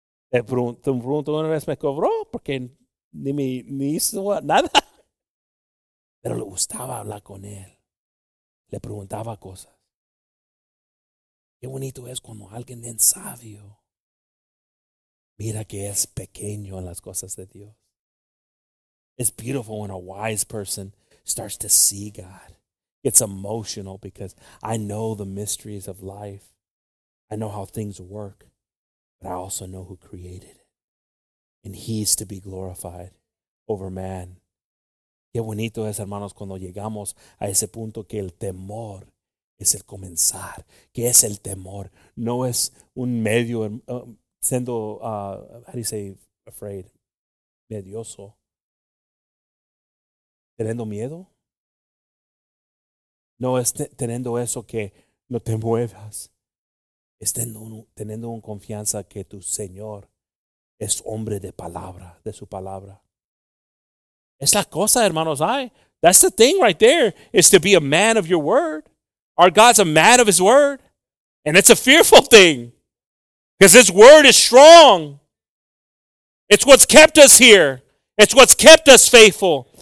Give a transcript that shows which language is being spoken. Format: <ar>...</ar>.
<es>Me preguntó una vez, me cobró, porque ni hizo nada. Pero le gustaba hablar con él. Le preguntaba cosas. Qué bonito es cuando alguien bien sabio mira que es pequeño en las cosas de Dios.</es> <en>It's beautiful when a wise person starts to see God. It's emotional because I know the mysteries of life. I know how things work, but I also know who created it. And he's to be glorified over man.</en> <es>Qué bonito es, hermanos, cuando llegamos a ese punto que el temor es el comenzar. ¿Qué es el temor? No es un medio, siendo,</es> <en>how do you say, afraid,</en> <es>medioso, teniendo miedo. No es teniendo eso que no te muevas. Es teniendo un confianza que tu Señor es hombre de palabra, de su palabra. Es la cosa, hermanos.</es> <en>That's the thing right there, is to be a man of your word. Our God's a man of his word. And it's a fearful thing. Because his word is strong. It's what's kept us here. It's what's kept us faithful.</en>